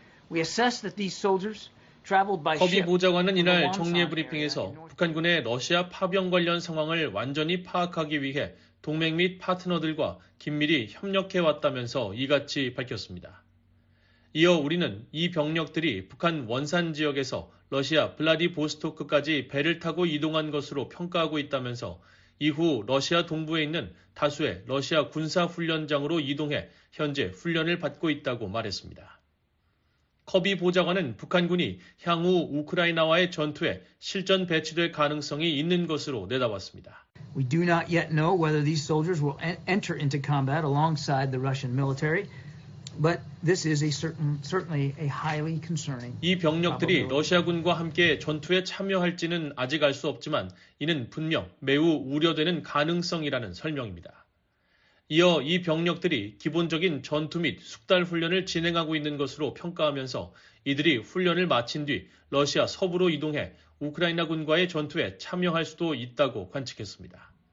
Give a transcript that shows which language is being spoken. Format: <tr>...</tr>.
<en>We assess that these soldiers traveled by ship.</en> <ko>커비 보좌관은 이날 정례 브리핑에서 북한군의 러시아 파병 관련 상황을 완전히 파악하기 위해 동맹 및 파트너들과 긴밀히 협력해 왔다면서 이같이 밝혔습니다. 이어 우리는 이 병력들이 북한 원산 지역에서 러시아 블라디보스토크까지 배를 타고 이동한 것으로 평가하고 있다면서 이후 러시아 동부에 있는 다수의 러시아 군사 훈련장으로 이동해 현재 훈련을 받고 있다고 말했습니다. 커비 보좌관은 북한군이 향후 우크라이나와의 전투에 실전 배치될 가능성이 있는 것으로 내다봤습니다.</ko> <en>We do not yet know whether these soldiers will enter into combat alongside the Russian military. But this is a certainly a highly concerning.</en> <ko>이 병력들이 러시아군과 함께 전투에 참여할지는 아직 알 수 없지만 이는 분명 매우 우려되는 가능성이라는 설명입니다. 이어 이 병력들이 기본적인 전투 및 숙달 훈련을 진행하고 있는 것으로 평가하면서 이들이 훈련을 마친 뒤 러시아 서부로 이동해 우크라이나군과의 전투에 참여할 수도 있다고 관측했습니다.</ko>